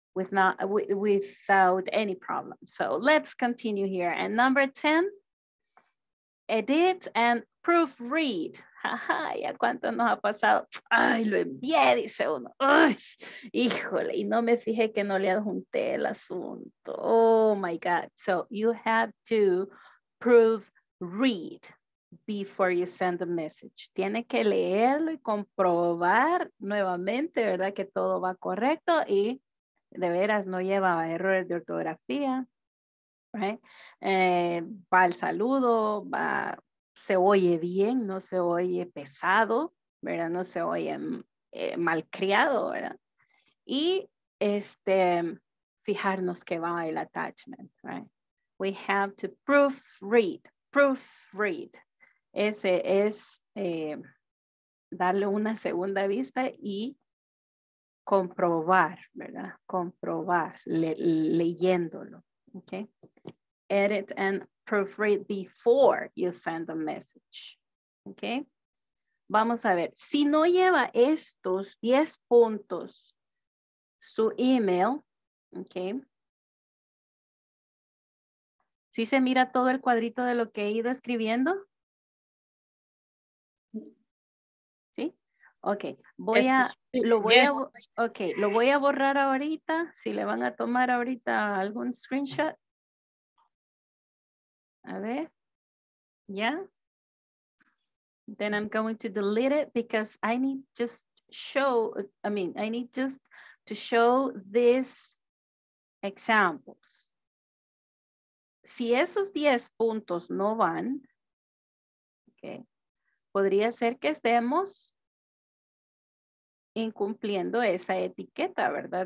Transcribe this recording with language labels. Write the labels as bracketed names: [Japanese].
[English] Without any problem. So let's continue here. And number 10, edit and proofread. [Spanish] Ajá, ¿ya cuánto nos ha pasado? Ay, lo envié, dice uno. Ay, híjole, y no me fijé que no le adjunté el asunto. [English] Oh, my God. So, you have to prove read before you send the message. [Spanish] Tiene que leerlo y comprobar nuevamente, ¿verdad? Que todo va correcto y de veras no lleva errores de ortografía. [English] Right? [Spanish] Va el saludo, va... Se oye bien, no se oye pesado, ¿verdad? No se oye malcriado, ¿verdad? Y este, fijarnos que va el attachment, [English] right? We have to proofread, proofread. [Spanish] Ese es darle una segunda vista y comprobar, ¿verdad? Comprobar leyéndolo, ¿ok? [English] Edit and proofread before you send the message. [Spanish] Ok. Vamos a ver. Si no lleva estos 10 puntos su email. Ok. ¿Sí se mira todo el cuadrito de lo que he ido escribiendo? ¿Sí? Ok. Voy a... lo voy a borrar ahorita. Si le van a tomar ahorita algún screenshot. A ver, yeah. [English] Then I'm going to delete it because I need just show, I mean, I need just to show these examples. [Spanish] Si esos 10 puntos no van, okay, podría ser que estemos incumpliendo esa etiqueta, ¿verdad?